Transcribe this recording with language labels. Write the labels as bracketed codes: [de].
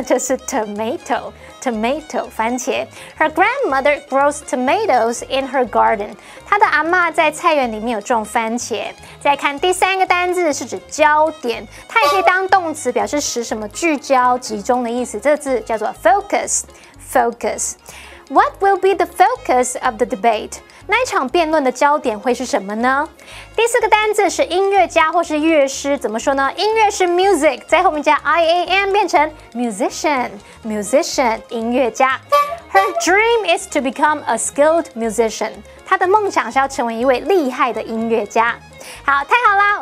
[zh] 就是 [en] tomato。Tomato 番茄。Her grandmother grows tomatoes in her garden. [zh] 她的阿嬷在菜园里面有种番茄。再看第三个单字是指焦点，它也可以当动词，表示使什么聚焦集中的意思，这个字叫做 focus。 [en] Focus. What will be the focus of the debate? [zh] 那一场辩论的焦点会是什么呢？第四个单字是音乐家或是乐师，怎么说呢？音乐是 music， 在后面加 ian 变成 musician， musician 音乐家。 [en] Her dream is to become a skilled musician. [zh] 她的梦想是要成为一位厉害的音乐家。好，太好啦！